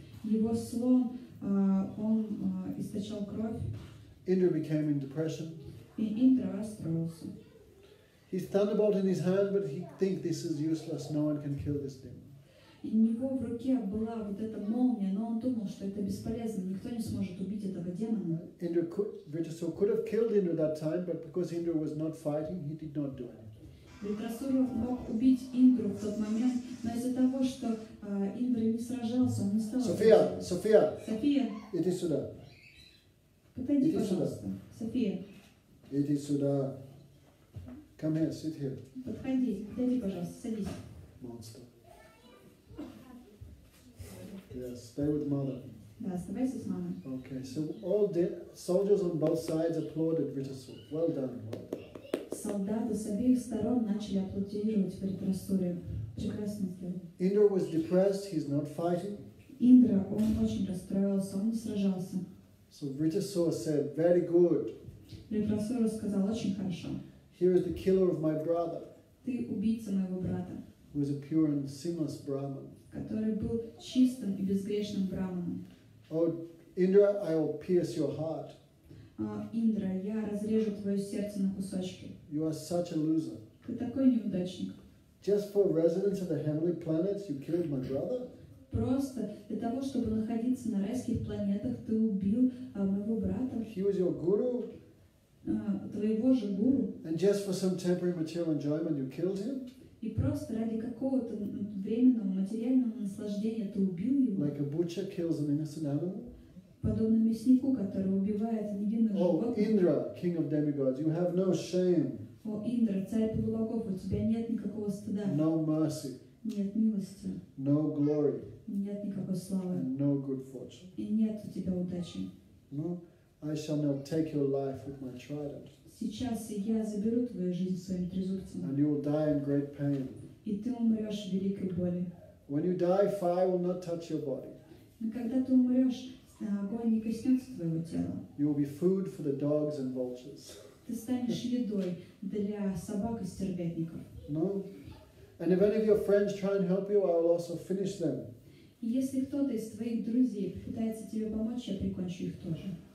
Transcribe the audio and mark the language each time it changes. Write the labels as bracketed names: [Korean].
[Russian] Его слон, он источал кровь. [English] Indra became in depression. [Russian] И Индра расстроился. [English] His thunderbolt in his hand, but he think this is useless. No one can kill this demon. [Russian] И у него в руке была вот эта молния, но он думал, что это бесполезно, никто не сможет убить этого демона. [English] Indra could have killed Indra that time, but because Indra was not fighting, he did not do anything. [Russian] Витрасура мог убить Индру в тот момент, но из-за того, что Индра не сражался, он не стал. София, София. София. Иди сюда. Подойди, пожалуйста. София. Иди сюда. [English] Come here, sit here. [Russian] Подходи, подойди, пожалуйста, садись. [English] Monster. Yes, stay with mother. Okay, so all the soldiers on both sides applauded Vritasura. Well done, well done. [Russian] Солдаты с обеих сторон начали аплодировать Вритасуре. Прекрасно сделал. [English] Indra was depressed, he's not fighting. [Russian] Индра, он очень расстроился, он не сражался. [English] So Vritasura said, very good. [Russian] Вритасура сказал, очень хорошо. [English] Here is the killer of my brother. [Russian] Ты убийца моего брата. [English] Who is a pure and sinless Brahman. [Russian] Который был чистым и безгрешным браманом. [English] Oh, Indra, I will pierce your heart. [Russian] Индра, я разрежу твое сердце на кусочки. [English] You are such a loser. [Russian] Ты такой неудачник. [English] Just for residence of the heavenly planets, you killed my brother? [Russian] Просто для того, чтобы находиться на райских планетах, ты убил моего брата. [English] He was your guru. [Russian] Твоего же гуру. [English] And just for some temporary material enjoyment, you killed him? [Russian] И просто ради какого-то временного материального наслаждения ты убил его. [English] Like a butcher kills an innocent animal. [Russian] Подобно мяснику, который убивает невинных животных. [English] Oh, Indra, king of demigods, you have no shame. [Russian] О, Индра, царь полубогов, у тебя нет никакого стыда. [English] No mercy. [Russian] Нет милости. [English] No glory. [Russian] Нет никакой славы. [English] And no good fortune. [Russian] И нет у тебя удачи. [English] No, I shall now take your life with my trident. [Russian] Сейчас я заберу твою жизнь своим трезубцем. [English] And you will die in great pain. [Russian] И ты умрешь в великой боли. [English] When you die, fire will not touch your body. [Russian] Но когда ты умрешь, огонь не коснется твоего тела. [English] You will be food for the dogs and vultures. [Russian] Ты станешь едой для собак и стервятников. [English] No. And if any of your friends try and help you, I will also finish them. [Russian] Если кто-то из твоих друзей пытается тебе помочь, я прикончу их тоже.